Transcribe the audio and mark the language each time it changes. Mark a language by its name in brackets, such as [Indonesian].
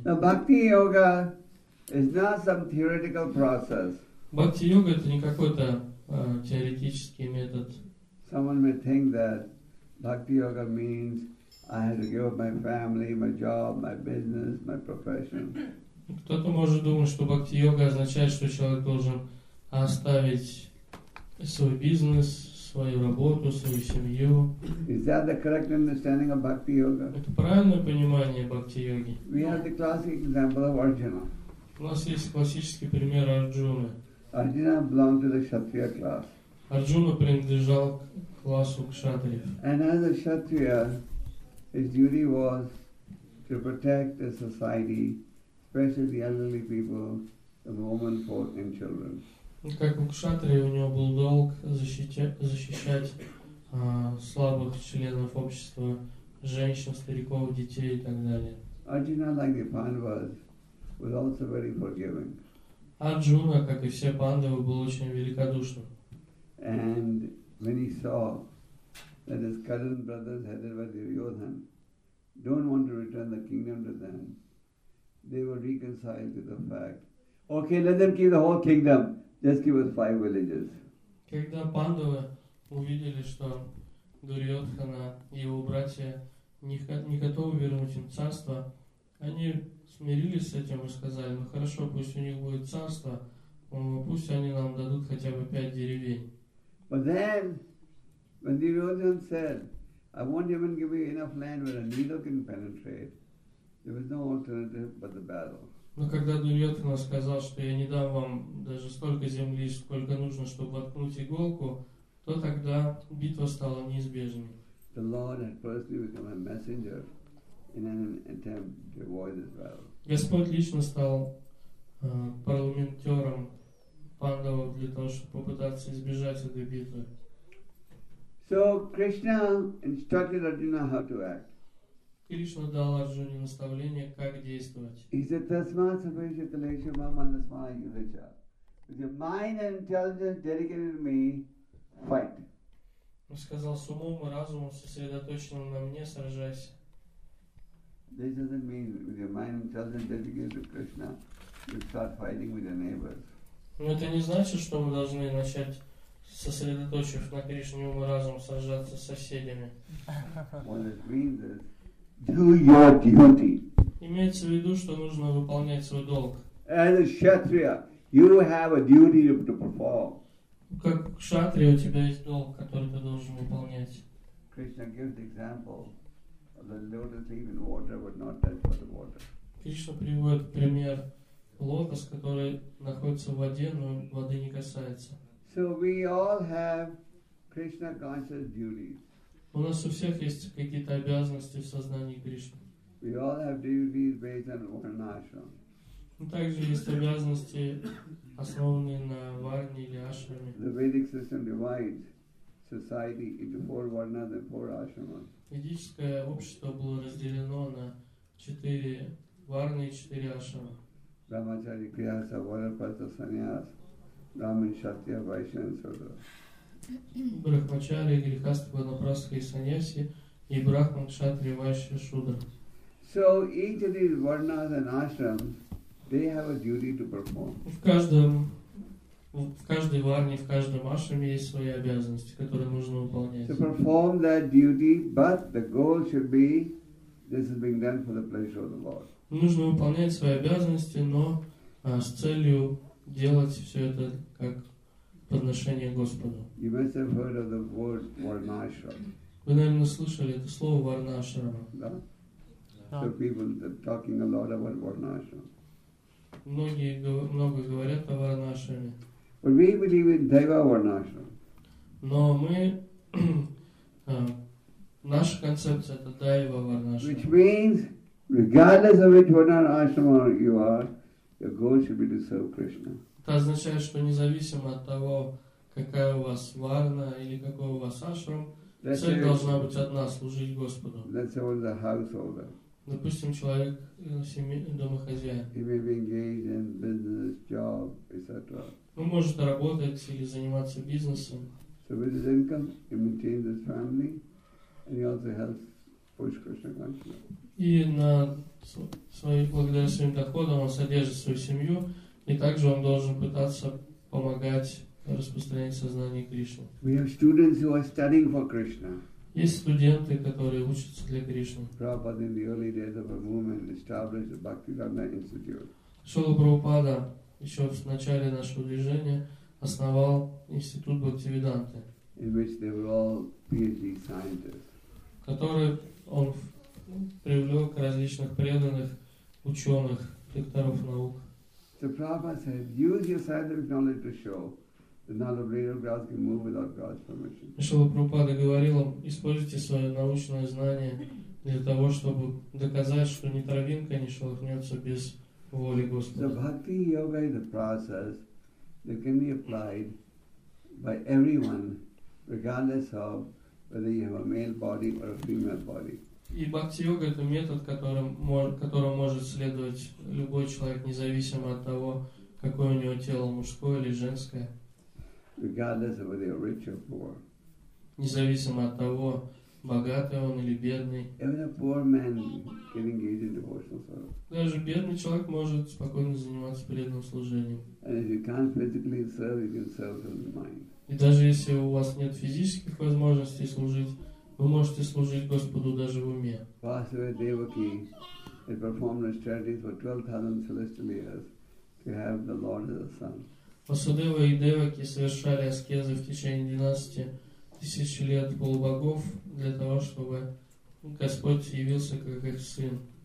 [English] Now, bhakti-yoga is not some theoretical process. [Russian] Бхакти-йога – это не какой-то теоретический метод. [English] Someone may think that bhakti-yoga means I have to give up my family, my job, my business, my profession. [Russian] Кто-то может думать, что бхакти-йога означает, что человек должен оставить свой бизнес, свою работу, свою семью. [English] Is that the correct understanding of bhakti yoga? [Russian] Это правильное понимание бхакти йоги. [English] We have the classic example of Arjuna. [Russian] У нас есть классический пример Арджуны. [English] Arjuna belonged to the kshatriya class. [Russian] Арджуна принадлежал к классу кшатриев. [English] And as a kshatriya, his duty was to protect the society, especially the elderly people, the women, folk, and children. [Russian] Как у кшатрии, у него был долг защищать слабых членов общества, женщин, стариков, детей и так далее. [English] Arjuna, like the Pandavas, was also very forgiving. [Russian] Arjuna, как и все Пандавы, был очень великодушным. [English] And when he saw that his cousin brothers, headed by Duryodhana, don't want to return the kingdom to them, they were reconciled to the fact, okay, let them keep the whole kingdom. Just give us 5 villages. [Russian] Когда Пандавы увидели, что Дурьотхана и его братья не готовы вернуть им царство, они смирились с этим и сказали, ну хорошо, пусть у них будет царство, пусть они нам дадут хотя бы 5 деревень. [English] But then, when Duryodhana said, I won't even give you enough land where a needle can penetrate, there was no alternative but the battle. [Russian] Но когда Дурьотхана сказал, что я не дам вам даже столько земли, сколько нужно, чтобы воткнуть иголку, то тогда битва стала неизбежной. [English] The Lord had personally become a messenger in an attempt to avoid this battle. [Russian] Господь лично стал парламентером Пандавов для того, чтобы попытаться избежать этой битвы. [English] So Krishna instructed Arjuna how to act. [Russian] Кришна дал Арджуне наставление, как действовать. [English] He said, [Sanskrit] "Tasmat sabhishita lesha mamandasmaya yudhacha." [English] With your mind and intelligence dedicated to me, fight. [Russian] Он сказал, с умом и разумом сосредоточенным на мне, сражайся. [English] This doesn't mean with your mind and intelligence dedicated to Krishna, you start fighting with your neighbors. [Russian] Но это не значит, что мы должны начать, сосредоточив на Кришне ум и разум, сражаться с соседями. [English] What it means is, do your duty. [Russian] Имеется в виду, что нужно выполнять свой долг. [English] As a kshatriya, you have a duty to perform. [Russian] Как кшатрия, у тебя есть долг, который ты должен выполнять. [English] Krishna gives the example of the lotus leaf in water would not touch the water. [Russian] Кришна приводит пример лотос, который находится в воде, но воды не касается. [English] So we all have Krishna conscious duties. [Russian] У нас у всех есть какие-то обязанности в сознании Кришны. [English] We all have duties based on Varnashram. [Russian] Также есть обязанности, основанные на Варне или Ашраме. [English] The Vedic system divides society into four Varnas and four Ashramas. [Russian] Ведическое общество было разделено на четыре Варны и четыре Ашрама. [English] Brahmachari, Kriyasa, Varapasa, Sannyas, Brahman, Kshatriya, Vaishya, and Sudra. [Russian] Брахмачари, грихастха, ванапрастха и саньяси и брахман, кшатри, вайшья, шудра. [English] So each of these varnas and ashrams, they have a duty to perform. [Russian] В каждой варне, в каждом ашраме есть свои обязанности, которые нужно выполнять. [English] To perform that duty, but the goal should be this is being done for the pleasure of the Lord. [Russian] Нужно выполнять свои обязанности, но с целью делать все это как подношение Господу. [English] You must have heard of the word Varnashram. [Russian] Вы, наверное, слышали это слово Варнашрам. Да? Да. [English] So people are talking a lot about Varnashram. [Russian] Многие говорят о Варнашраме. [English] But we believe in Deva Varnashram. [Russian] Но мы... наша концепция это Дайва Варнашрам. [English] Which means, regardless of which Varnashram you are, your goal should be to serve Krishna. [Russian] Это означает, что независимо от того, какая у вас варна или какой у вас ашрам, цель должна быть одна – служить Господу. [English] Let's say the householder. [Russian] Допустим, человек, семейный домохозяин. [English] He may be engaged in business, job, etc. [Russian] Он может работать или заниматься бизнесом. [English] So with his income, he maintains his family, and he also helps push Krishna consciousness. [Russian] И благодаря своим доходам он содержит свою семью. И также он должен пытаться помогать распространять сознание Кришны. [English] We have students who are studying for Krishna. [Russian] Есть студенты, которые учатся для Кришны. [English] Prabhupada in the early days of a movement established the Bhaktivedanta Institute. [Russian] Шрила Прабхупада еще в начале нашего движения основал институт Бхактивиданты. [English] In which they were all PhD scientists. [Russian] Который он привлек различных преданных ученых, докторов наук. [English] So Prabhupada said, use your scientific knowledge to show that not a blade of grass can move without God's permission. [Russian] Шрила Прабхупада говорил, используйте свое научное знание для того, чтобы доказать, что ни травинка не шелохнется без воли Господа. [English] So bhakti yoga is a process that can be applied by everyone, regardless of whether you have a male body or a female body. [Russian] И бхакти-йога – это метод, которому может следовать любой человек, независимо от того, какое у него тело, мужское или женское. [English] Regardless of whether you're rich or poor. [Russian] Независимо от того, богатый он или бедный. [English] Even a poor man can engage in devotional service. [Russian] Даже бедный человек может спокойно заниматься преданным служением. [English] And if you can't physically serve, you can serve from the mind. [Russian] И даже если у вас нет физических возможностей служить, вы можете служить Господу даже в уме. [English] Vasudeva Devaki had performed austerities for 12,000 celestial years to have the Lord as a son. [Russian] Vasudeva и Деваки совершали аскезы в течение 12 тысяч лет полубогов для того, чтобы Господь явился как их сын.